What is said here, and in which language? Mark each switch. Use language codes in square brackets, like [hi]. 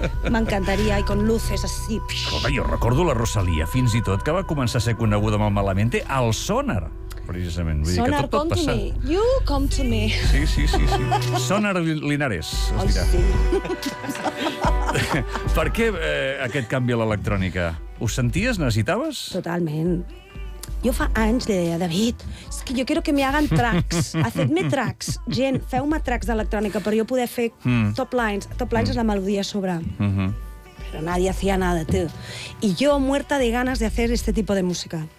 [ca] M'encantaria, [es] i con luces así. [ca] Escolta, jo recordo la Rosalía, fins i tot, que va començar a ser coneguda amb el Malamente al sonar. Precisament. Vull sonar, dir que tot [en] come [ca] passant. [en] To me. You come to me. [ca] Sí. Sonar Linares, es dirà. Sí. Per què aquest canvi a l'electrònica? Ho senties? Necessitaves? Totalment. Jo fa anys li deia, David, és que jo [es] quiero que me hagan tracks. Hacedme tracks. [ca] Gent, feu-me tracks d'electrònica per jo poder fer top lines. Top lines és la melodia a sobre. [es] Però nadie hacía nada, tío. I jo, muerta de ganes de hacer este tipo de música.